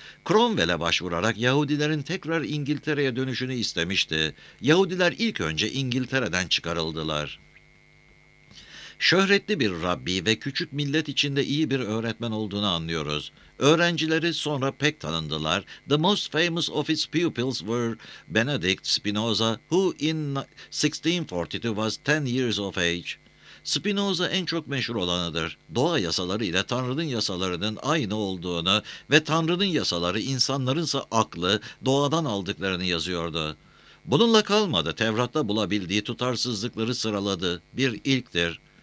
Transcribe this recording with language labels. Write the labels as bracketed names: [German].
[Turkish] Cromwell'e başvurarak Yahudilerin tekrar İngiltere'ye dönüşünü istemişti. Yahudiler ilk önce İngiltere'den çıkarıldılar. Şöhretli bir rabbi ve küçük millet içinde iyi bir öğretmen olduğunu anlıyoruz. Öğrencileri sonra pek tanındılar. [English] The most famous of his pupils were Benedict Spinoza, who in 1642 was 10 years of age. [Turkish] Spinoza en çok meşhur olanıdır. Doğa yasaları ile Tanrı'nın yasalarının aynı olduğunu ve Tanrı'nın yasaları insanlarınsa aklı doğadan aldıklarını yazıyordu. Bununla kalmadı, Tevrat'ta bulabildiği tutarsızlıkları sıraladı. Bir ilktir.